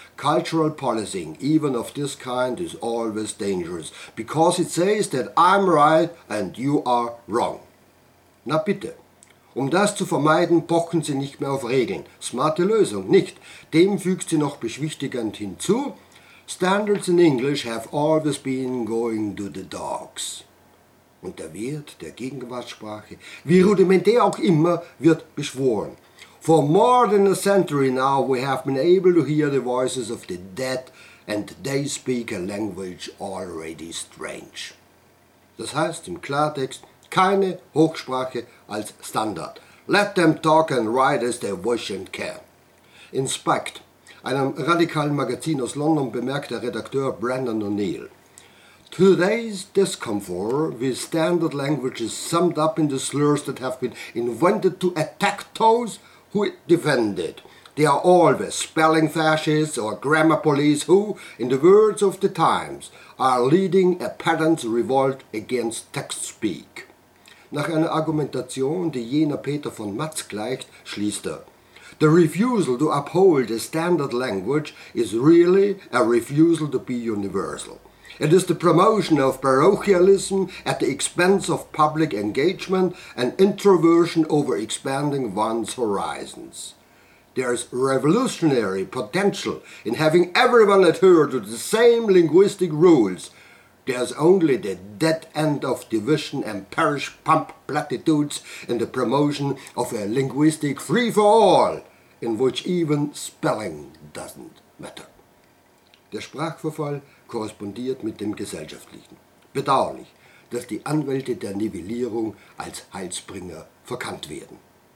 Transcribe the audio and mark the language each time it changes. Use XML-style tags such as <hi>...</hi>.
<en>Cultural policing, even of this kind, is always dangerous, because it says that I'm right and you are wrong.</en> <de>Na bitte. Um das zu vermeiden, pochen sie nicht mehr auf Regeln. Smarte Lösung, nicht. Dem fügt sie noch beschwichtigend hinzu.</de> <en>Standards in English have always been going to the dogs.</en> <de>Und der Wert der Gegenwartssprache, wie rudimentär auch immer, wird beschworen.</de> <en>For more than a century now we have been able to hear the voices of the dead and they speak a language already strange.</en> <de>Das heißt im Klartext, keine Hochsprache als Standard.</de> <en>Let them talk and write as they wish and can.</en> <de>In Spiked, einem radikalen Magazin aus London, bemerkt der Redakteur Brendan O'Neill,</de> <en>Today's discomfort with standard language is summed up in the slurs that have been invented to attack those who defend it. They are always spelling fascists or grammar police who, in the words of the times, are leading a pedant's revolt against text speak.</en> <de>Nach einer Argumentation, die jener Peter von Matz gleicht, schließt er.</de> <en>The refusal to uphold a standard language is really a refusal to be universal. It is the promotion of parochialism at the expense of public engagement and introversion over expanding one's horizons. There is revolutionary potential in having everyone adhere to the same linguistic rules, There's only the dead end of division and parish pump platitudes in the promotion of a linguistic free-for-all, in which even spelling doesn't matter.</en> <de>Der Sprachverfall korrespondiert mit dem gesellschaftlichen. Bedauerlich, dass die Anwälte der Nivellierung als Heilsbringer verkannt werden.</de>